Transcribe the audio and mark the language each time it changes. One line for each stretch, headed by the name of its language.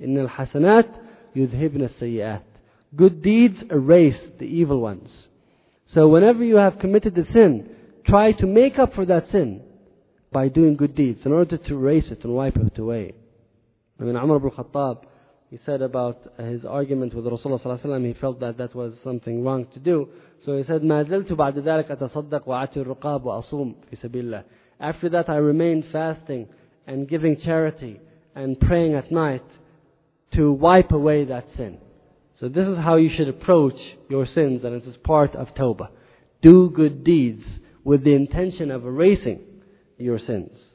Arabic: إِنَّ الْحَسَنَاتِ يُذْهِبْنَ السَّيِّئَاتِ.
English: Good deeds erase the evil ones. So whenever you have committed a sin, try to make up for that sin by doing good deeds, in order to erase it and wipe it away. I mean, Umar ibn Khattab, he said about his argument with Rasulullah ﷺ, he felt that that was something wrong to do. So he said,
Arabic: مَا زَلْتُ بَعْدَ ذَلَكَ أَتَصَدَّقُ وَعَتِ الرُّقَابُ وَأَصُومُ فِي سَبِيلِ اللَّهِ.
English: After that, I remained fasting and giving charity and praying at night to wipe away that sin. So this is how you should approach your sins, and it is part of tawbah. Do good deeds with the intention of erasing your sins.